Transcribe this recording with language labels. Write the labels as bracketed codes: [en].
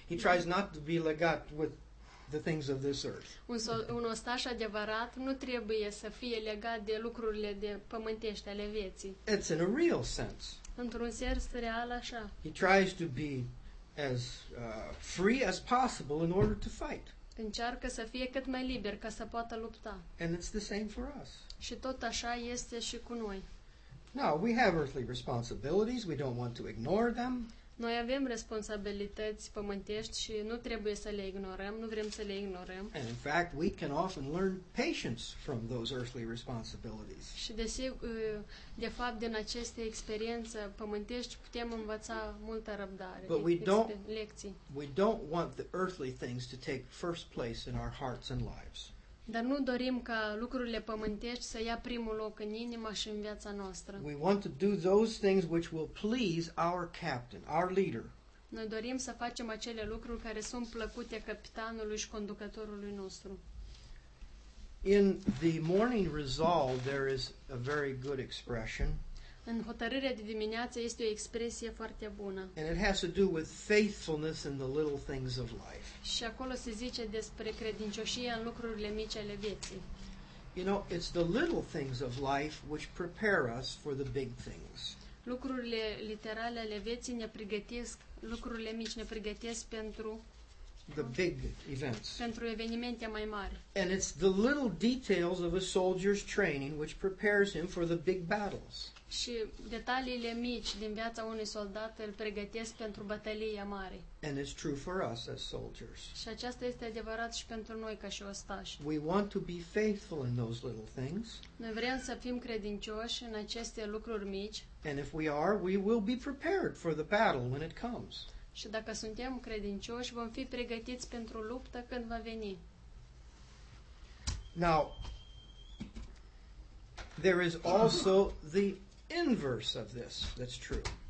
[en] He tries not to be legat with the things of this earth. [ro] Un ostaș adevărat nu trebuie să fie legat de lucrurile de pământești ale vieții. [en] It's in a real sense. [ro] Într-un sens real așa. [en] He tries to be as free as possible in order to fight. [ro] Încearcă să fie cât mai liber ca să poată lupta. [en] And it's the same for us. [ro] Și tot așa este și cu noi. [en] Now, we have earthly responsibilities, we don't want to ignore them. [ro] Noi avem responsabilități pământești și nu trebuie să le ignorăm, nu vrem să le ignorăm. [en] And in fact, we can often learn patience from those earthly responsibilities. [ro] Și de fapt din aceste experiențe pământești putem învăța multă răbdare. [en] But we don't [ro] lecții. [en] We don't want the earthly things to take first place in our hearts and lives. [ro] Dar nu dorim ca lucrurile pământești să ia primul loc în inima și în viața noastră. [en] We want to do those things which will please our captain, our leader. [ro] Noi dorim să facem acele lucruri care sunt plăcute capitanului și conducătorului nostru. [en] In the morning resolve there is a very good expression. [ro] În hotărârea de dimineață este o expresie foarte bună. [en] And it has to do with faithfulness in the little things of life. [ro] Și acolo se zice despre credincioșia în lucrurile mici ale vieții. [en] You know, it's the little things of life which prepare us for the big things. [ro] Lucrurile literale ale vieții ne pregătesc, lucrurile mici ne pregătesc pentru [en] the big events. [ro] Pentru evenimente mai mari. [en] And it's the little details of a soldier's training which prepares him for the big battles. [ro] Și detaliile mici din viața unui soldat îl pregătesc pentru bătălia mare. [en] And it's true for us as soldiers. [ro] Și aceasta este adevărat și pentru noi ca și ostași. [en] We want to be faithful in those little things. [ro] Noi vrem să fim credincioși în aceste lucruri mici. [en] And if we are, we will be prepared for the battle when it comes. [ro] Și dacă suntem credincioși, vom fi pregătiți pentru luptă când va veni. [en] Now, there is also the inverse of this that's true.